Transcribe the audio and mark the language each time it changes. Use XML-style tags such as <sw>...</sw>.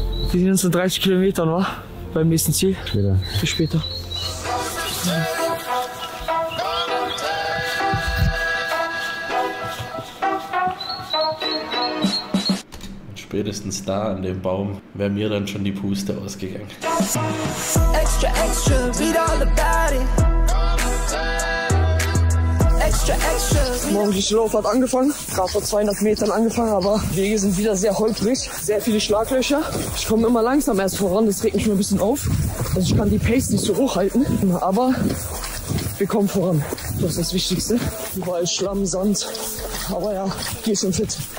<de>Wir sehen uns in 30 Kilometern, wa? Beim nächsten Ziel. Später. Bis später. Spätestens da an dem Baum wäre mir dann schon die Puste ausgegangen.</de> <en>Extra, extra, read all about it. Extra, extra.</en> <de>Morgendliche Lauf hat angefangen. Gerade vor 200 Metern angefangen, aber Wege sind wieder sehr holprig. Sehr viele Schlaglöcher. Ich komme immer langsam erst voran, das regt mich mal ein bisschen auf. Also ich kann die Pace nicht so hoch halten. Aber wir kommen voran. Das ist das Wichtigste. Überall Schlamm, Sand. Aber ja, hier ist schon fit.</de>